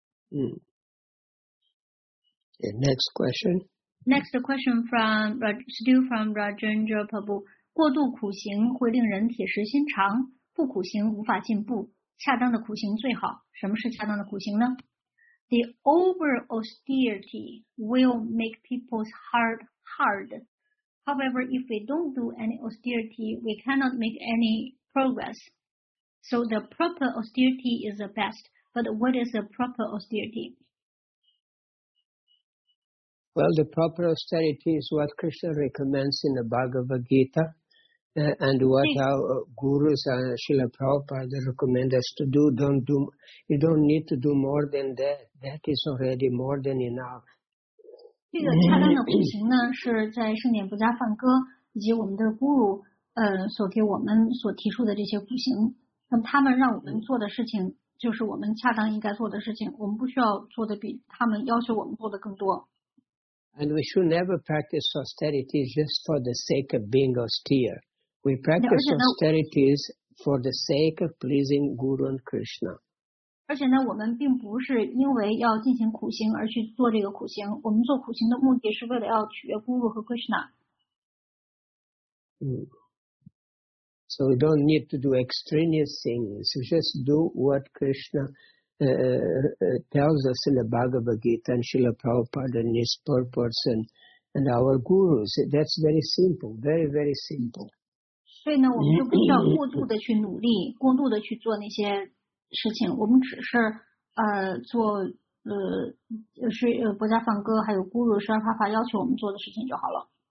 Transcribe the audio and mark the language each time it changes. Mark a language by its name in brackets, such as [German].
[English] 嗯。Next question. Next question from still from Rajendra Prabhu. [Chinese] 过度苦行会令人铁石心肠，不苦行无法进步，恰当的苦行最好。什么是恰当的苦行呢？ [English] The over austerity will make people's heart hard. However, if we don't do any austerity, we cannot make any progress. So the proper austerity is the best. But what is the proper austerity? Well, the proper austerity is what Krishna recommends in the Bhagavad Gita, and what our gurus, Srila Prabhupada, recommend us to do. You don't need to do more than that. That is already more than enough. [Chinese] 这个恰当的苦行呢，是在圣典不加梵歌以及我们的 guru 所给我们所提出的这些苦行。那么他们让我们做的事情，就是我们恰当应该做的事情。我们不需要做的比他们要求我们做的更多。 [English] And we should never practice austerity just for the sake of being austere. We practice austerity for the sake of pleasing Guru and Krishna. [Chinese] 而且呢，我们并不是因为要进行苦行而去做这个苦行。我们做苦行的目的是为了要取悦 Guru 和 Krishna. [English] So we don't need to do extraneous things. We just do what Krishna. Tells us in the Bhagavad Gita and Srila Prabhupada and his purports and our gurus. That's very simple, very, very simple. [Chinese] 所以呢，我们就不需要过度的去努力，过度的去做那些事情。我们只是做就是薄伽梵歌还有咕噜十二法要求我们做的事情就好了。